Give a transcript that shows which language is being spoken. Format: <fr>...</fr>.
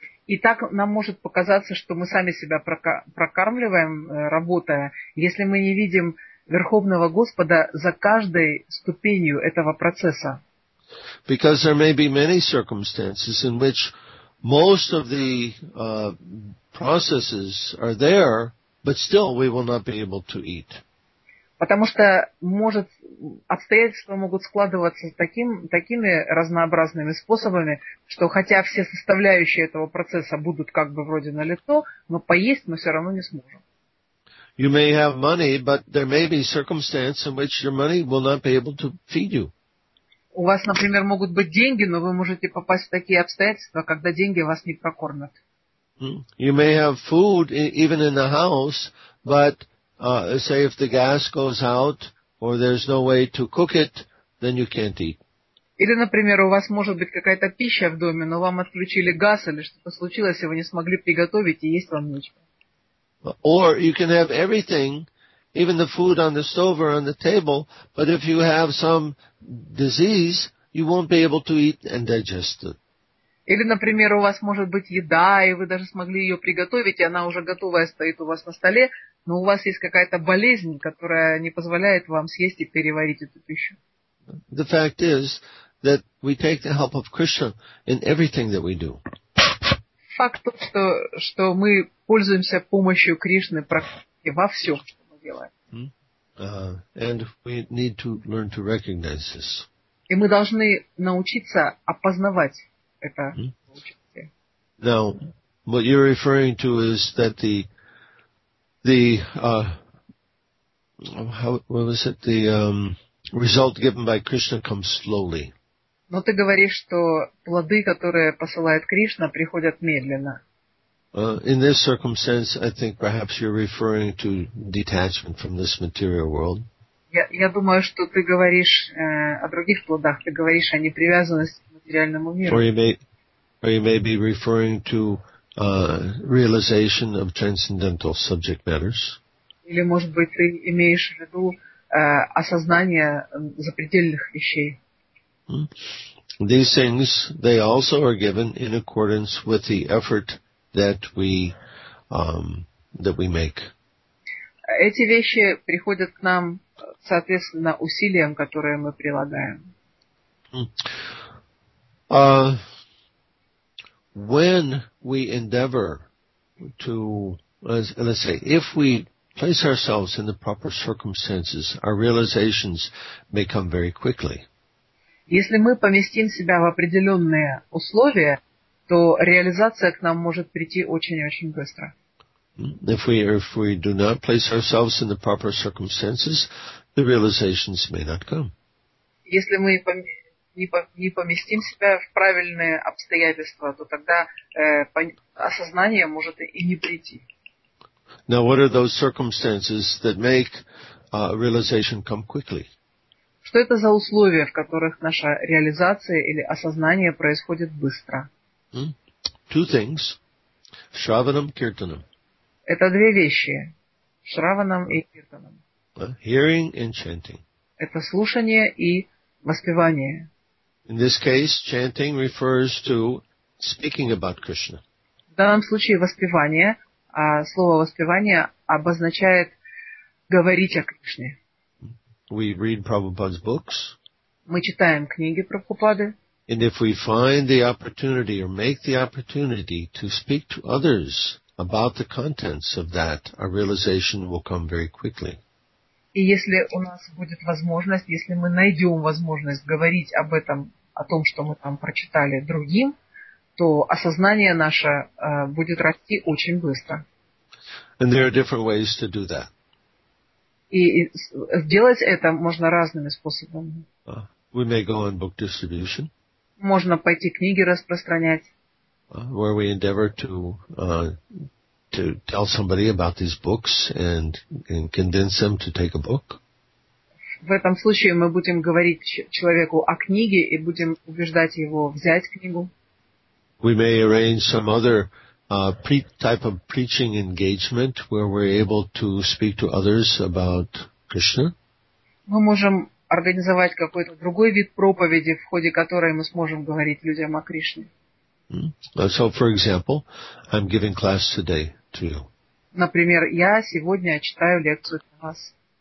<ru>И так нам может показаться, что мы сами себя прокармливаем, работая, если мы не видим Верховного Господа за каждой ступенью этого процесса.</ru> <en>Because there may be many circumstances in which most of the processes are there, but still we will not be able to eat.</en> <ru>Потому что может обстоятельства могут складываться такими разнообразными способами, что хотя все составляющие этого процесса будут как бы вроде налицо, но поесть мы все равно не сможем.</ru> <en>You may have money, but there may be circumstances in which your money will not be able to feed you.</en> <ru>У вас, например, могут быть деньги, но вы можете попасть в такие обстоятельства, когда деньги вас не прокормят.</ru> <en>You may have food even in the house, but say if the gas goes out or there's no way to cook it, then you can't eat.</en> <ru>Или, например, у вас может быть какая-то пища в доме, но вам отключили газ или что-то случилось, и вы не смогли приготовить и есть вам нечего.</ru> <en>Or you can have everything, even the food on the stove or on the table, but if you have some disease, you won't be able to eat and digest it.</en> <ru>Или, например, у вас может быть еда, и вы даже смогли ее приготовить, и она уже готовая стоит у вас на столе, но у вас есть какая-то болезнь, которая не позволяет вам съесть и переварить эту пищу.</ru> <en>The fact is that we take the help of Krishna in everything that we do.</en> <ru>Факт тот, что мы пользуемся помощью Кришны практически во всем, что мы делаем.</ru> <en>And we need to learn to recognize this.</en> <ru>И мы должны научиться опознавать.</ru> <en>Now, what you're referring to is that the result given by Krishna comes slowly.</en> <ru>Но ты говоришь, что плоды, которые посылает Кришна, приходят медленно.</ru> <en>In this circumstance, I think perhaps you're referring to detachment from this material world.</en> <ru>Я думаю, что ты говоришь о других плодах. Ты говоришь о непривязанности к материальному миру.</ru> <en>Or you may be referring to realization of transcendental subject matters.</en> <ru>Или, может быть, ты имеешь в виду осознание запредельных вещей.</ru> <en>These things, they also are given in accordance with the effort that we make.</en> <ru>Эти вещи приходят к нам соответственно усилиям, которые мы прилагаем.</ru> <en>When we endeavor to, let's say, if we place ourselves in the proper circumstances, our realizations may come very quickly.</en> <ru>Если мы поместим себя в определенные условия, то реализация к нам может прийти очень-очень быстро.</ru> <en>If we do not place ourselves in the proper circumstances, the realizations may not come.</en> <ru>Если мы не поместим себя в правильные обстоятельства, то тогда осознание может и не прийти.</ru> <en>Now, what are those circumstances that make realization come quickly?</en> <ru>Что это за условия, в которых наша реализация или осознание происходит быстро?</ru> <en>Two things. Shravanam, kirtanam.</en> <ru>Это две вещи. Shravanam и kirtanam.</ru> <en>Hearing and chanting.</en> <ru>Это слушание и воспевание.</ru> <en>In this case, chanting refers to speaking about Krishna.</en> <ru>В данном случае воспевание, а слово воспевание обозначает говорить о Кришне.</ru> <en>We read Prabhupada's books.</en> <ru>Мы читаем книги Прабхупады.</ru> <en>And if we find the opportunity or make the opportunity to speak to others about the contents of that, our realization will come very quickly.</en> <ru>И если у нас будет возможность, если мы найдем возможность говорить об этом, о том, что мы там прочитали другим, то осознание наше будет расти очень быстро.</ru> <en>And there are different ways to do that.</en> <ru>И сделать это можно разными способами.</ru> <en>We may go on book distribution.</en> <ru>Можно пойти книги распространять.</ru> <en>Where we endeavor to tell somebody about these books and convince them to take a book.</en> <ru>В этом случае мы будем говорить человеку о книге и будем убеждать его взять книгу.</ru> <en>We may arrange some other type of preaching engagement where we're able to speak to others about Krishna.</en> <ru>Мы можем организовать какой-то другой вид проповеди, в ходе которой мы сможем говорить людям о Кришне.</ru> <en>So, for example, I'm giving class today to you.</en> <ru>Например, я сегодня читаю лекцию для вас.</ru>